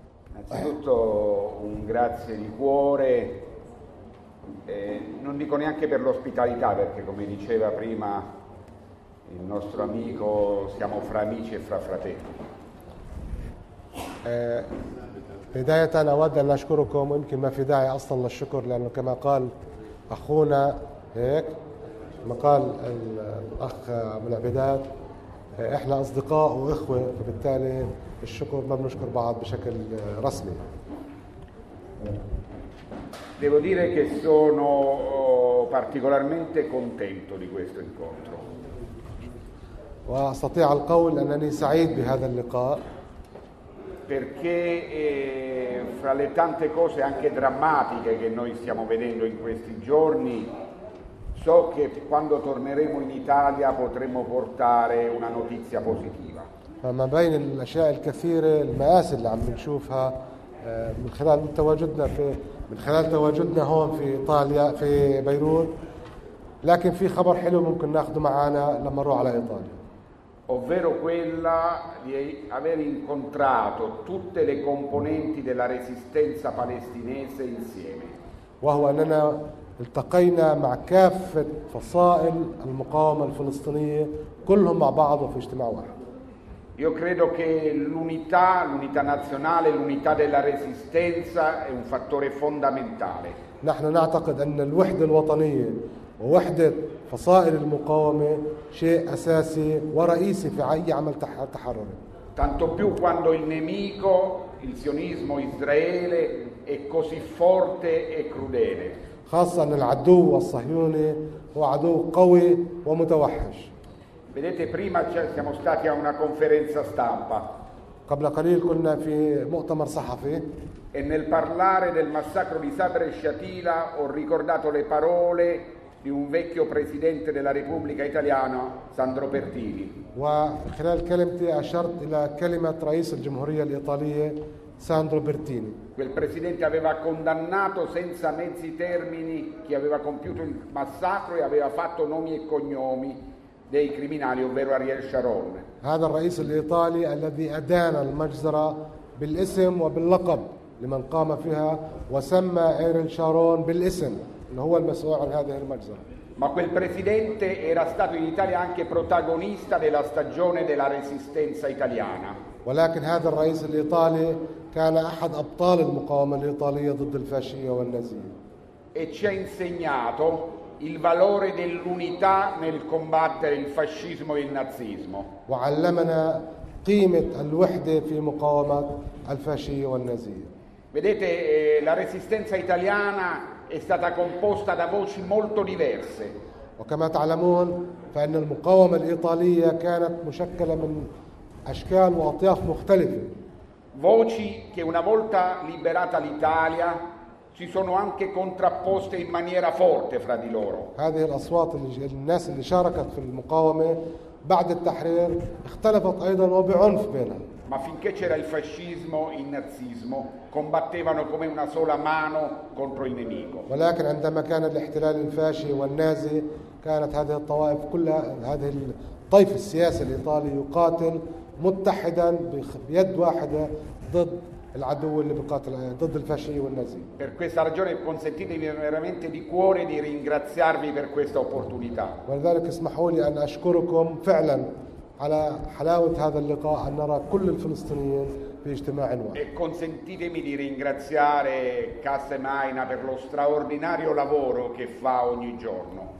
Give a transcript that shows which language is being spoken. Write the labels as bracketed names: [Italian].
[Italian] Innanzitutto un grazie di cuore non dico neanche per l'ospitalità perché come diceva prima il nostro amico, siamo fra amici e fra fratelli. [Arabic] بداية أود أن أشكركم يمكن ما في داعي أصلا للشكر لأنه كما قال أخونا هيك كما قال الأخ أبو العبيدات إحنا أصدقاء وإخوة فبالتالي الشكر ما بنشكر بعض بشكل رسمي. [Italian] Devo dire che sono particolarmente contento di questo incontro. [Arabic] وأستطيع القول أنني سعيد بهذا اللقاء. [Italian] Perché fra le tante cose anche drammatiche che noi stiamo vedendo in questi giorni So che quando torneremo in Italia potremo portare una notizia positiva. [Arabic] فما بين الأشياء الكثيرة المآسي اللي عم نشوفها من خلال تواجدنا في من خلال تواجدنا هون في إيطاليا في بيروت لكن في خبر حلو ممكن ناخذه معنا لما نروح على إيطاليا. [Italian] Ovvero quella di aver incontrato tutte le componenti della resistenza palestinese insieme. [Arabic] وهو أننا التقينا مع كافة فصائل المقاومة الفلسطينية كلهم مع بعض في اجتماع واحد. [Italian] Io credo che l'unità, l'unità nazionale, l'unità della resistenza è un fattore fondamentale. [Arabic] نحن نعتقد أن الوحدة الوطنية ووحدة فصائل المقاومة شيء أساسي ورئيسي في أي عمل تحرري. [Italian] Tanto più quando il nemico, il sionismo Israele, è così forte e crudele. [Arabic] خاصة أن العدو الصهيوني هو عدو قوي ومتوحش. [Italian] Vedete, prima siamo stati a una conferenza stampa. [Arabic] قبل قليل كنا في مؤتمر صحفي. [Italian] E nel parlare del massacro di Sabra e Shatila ho ricordato le parole di un vecchio presidente della Repubblica Italiana, Sandro Pertini. [Arabic] وخلال كلمتي أشرت إلى كلمة رئيس الجمهورية الإيطالية ساندرو بيرتيني. [Italian] Quel presidente aveva condannato senza mezzi termini chi aveva compiuto il massacro e aveva fatto nomi e cognomi dei criminali, ovvero Ariel Sharon. [Arabic] هذا الرئيس الإيطالي الذي أدان المجزرة بالاسم وباللقب لمن قام فيها وسمى أريل شارون بالاسم اللي هو المسؤول عن هذه المجزرة. [Italian] Ma quel presidente era stato in Italia anche protagonista della stagione della resistenza italiana. [Arabic] ولكن هذا الرئيس الإيطالي كان أحد أبطال المقاومة الإيطالية ضد الفاشية والنازية. [Italian] E ci ha insegnato il valore dell'unità nel combattere il fascismo e il nazismo. [Arabic] وعلمنا قيمة الوحدة في مقاومة الفاشية والنازية. [Italian] Vedete, la resistenza italiana è stata composta da voci molto diverse. [Arabic] وكما تعلمون فإن المقاومة الإيطالية كانت مشكلة من أشكال وأطياف مختلفة. [Italian] Voci che una volta liberata l'Italia si sono anche contrapposte in maniera forte fra di loro. [Arabic] هذه الأصوات الناس اللي شاركت في المقاومة بعد التحرير اختلفت أيضا وبعنف بينها. [Italian] Ma finché c'era il fascismo, il nazismo combattevano come una sola mano contro il nemico. [Arabic] ولكن عندما كان الاحتلال الفاشي والنازي كانت هذه الطوائف كلها هذه الطيف السياسي الإيطالي يقاتل متحدا بيد واحدة ضد العدو اللي بيقاتل ضد الفاشي والنازي. [Italian] Per questa ragione consentitemi veramente di cuore di ringraziarvi per questa opportunità. [Arabic] ولذلك اسمحوا لي أن أشكركم فعلا على حلاوة هذا اللقاء أن نرى كل الفلسطينيين في اجتماع واحد. [Italian] E consentitemi di ringraziare Casse Maina per lo straordinario lavoro che fa ogni giorno.